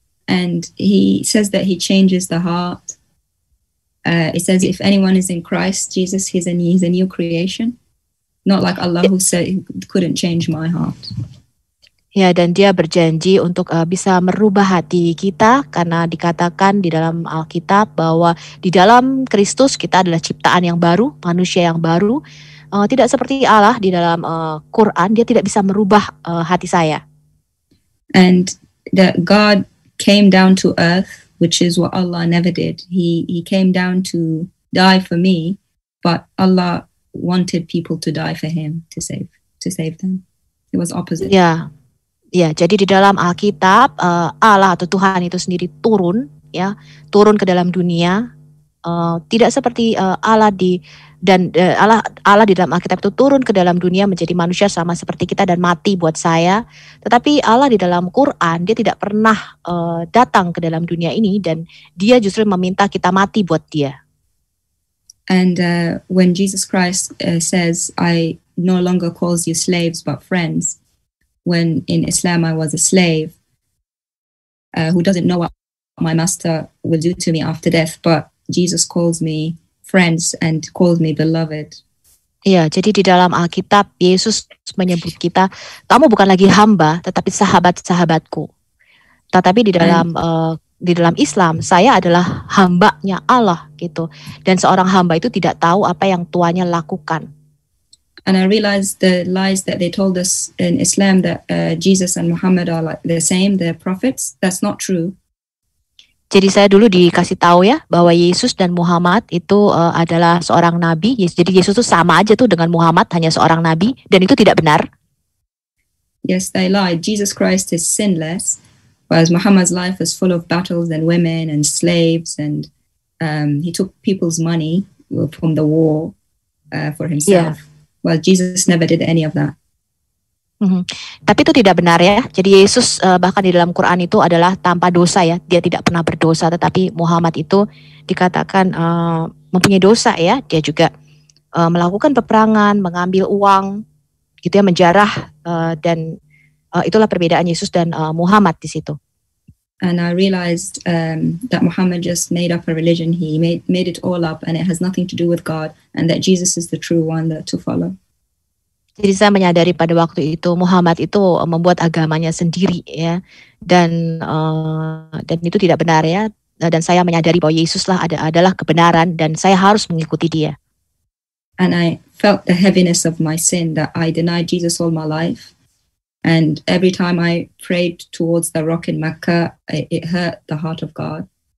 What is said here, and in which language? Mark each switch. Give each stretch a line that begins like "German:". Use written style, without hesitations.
English: And He says that He changes the heart. It says if anyone is in Christ Jesus, he's a new creation. Not like Allah who said he couldn't change my heart.
Indonesian: Ya, dan dia berjanji untuk bisa merubah hati kita, karena dikatakan di dalam Alkitab bahwa di dalam Kristus kita adalah ciptaan yang baru, manusia yang baru. Tidak seperti Allah di dalam Quran, dia tidak bisa merubah hati saya.
English: And that God came down to earth, which is what Allah never did. He came down to die for me, but Allah wanted people to die for him to save them. It was opposite.
Indonesian: Ya. Ya, jadi di dalam Alkitab Allah atau Tuhan itu sendiri turun ya, turun ke dalam dunia tidak seperti Allah di dan Allah di dalam Alkitab itu turun ke dalam dunia menjadi manusia sama seperti kita dan mati buat saya. Tetapi Allah di dalam Quran, dia tidak pernah datang ke dalam dunia ini dan dia justru meminta kita mati buat dia.
English: And when Jesus Christ says I no longer calls you slaves but friends, when in Islam I was a slave who doesn't know what my master will do to me after death, but Jesus calls me friends and calls me beloved.
Indonesian: Ya, jadi di dalam Alkitab Yesus menyebut kita, kamu bukan lagi hamba, tetapi sahabat-sahabatku. Tetapi di dalam di dalam Islam, saya adalah hambanya Allah gitu. Dan seorang hamba itu tidak tahu apa yang tuannya lakukan.
English: And I realized the lies that they told us in Islam, that Jesus and Muhammad are like the same, they're prophets. That's not true.
Indonesian: Jadi saya dulu dikasih tahu ya bahwa Yesus dan Muhammad itu adalah seorang nabi. Jadi Yesus itu sama aja tuh dengan Muhammad, hanya seorang nabi, dan itu tidak benar.
English: Yes, they lied. Jesus Christ is sinless, whereas Muhammad's life was full of battles and women and slaves, and he took people's money from the war for himself. Yeah. Well, Jesus never did any of that.
Indonesian: Mm-hmm. Tapi itu tidak benar ya. Jadi Yesus bahkan di dalam Quran itu adalah tanpa dosa ya. Dia tidak pernah berdosa, tetapi Muhammad itu dikatakan mempunyai dosa ya. Dia juga melakukan peperangan, mengambil uang, gitu ya, menjarah, dan itulah perbedaan Yesus dan Muhammad di situ.
English: And I realized that Muhammad just made up a religion. He made it all up, and it has nothing to do with God, and that Jesus is the true one that to follow.
Indonesian: Jadi saya menyadari pada waktu itu Muhammad itu membuat agamanya sendiri ya, dan itu tidak benar ya. Dan saya menyadari bahwa Yesuslah adalah kebenaran, dan saya harus mengikuti dia.
English: And I felt the heaviness of my sin that I denied Jesus all my life. And every time I prayed towards the rock in Mecca, it hurt the heart of God.